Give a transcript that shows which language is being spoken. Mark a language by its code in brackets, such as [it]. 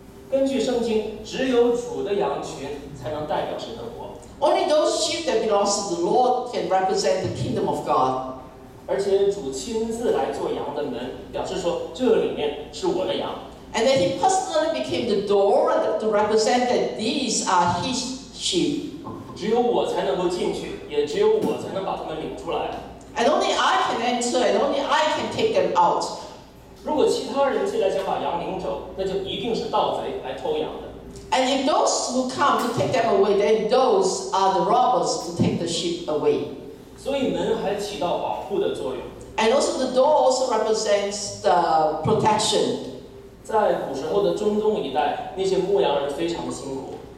[zh] 根据圣经，只有主的羊群才能代表神的国。 [en] Only those sheep that belongs to the Lord can represent the kingdom of God. [zh] 而且主亲自来做羊的门，表示说这里面是我的羊。 [en] And then he personally became the door to represent that these are his sheep. [zh] 只有我才能够进去，也只有我才能把他们领出来。 [en] And only I can enter, and only I can take them out. [zh] 如果其他人进来想把羊领走，那就一定是盗贼来偷羊的。 [en] And if those who come to take them away, then those are the robbers to take the sheep away. [zh] 所以门还起到保护的作用。 [en] And also the door also represents the protection. [zh] 在古时候的中东一带，那些牧羊人非常的辛苦。